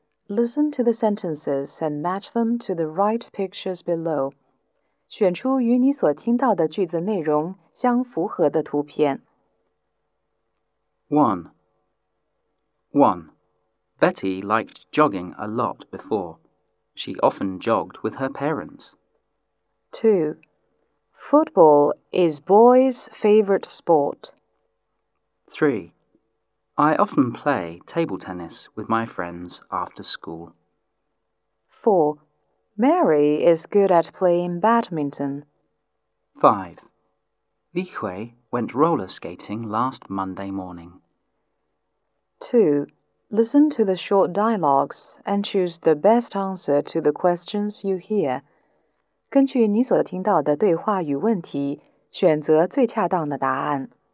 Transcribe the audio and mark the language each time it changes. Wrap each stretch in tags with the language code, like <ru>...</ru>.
<en>Listen to the sentences and match them to the right pictures below.</en> <zh>选出与你所听到的句子内容相符合的图片。</zh> <en>1. Betty liked jogging a lot before. She often jogged with her parents. 2. Football is boys' favorite sport. 3. I often play table tennis with my friends after school. 4. Mary is good at playing badminton. 5. Li Hui went roller skating last Monday morning. 2. Listen to the short dialogues and choose the best answer to the questions you hear.</en> <zh>根据你所听到的对话与问题，选择最恰当的答案。</zh>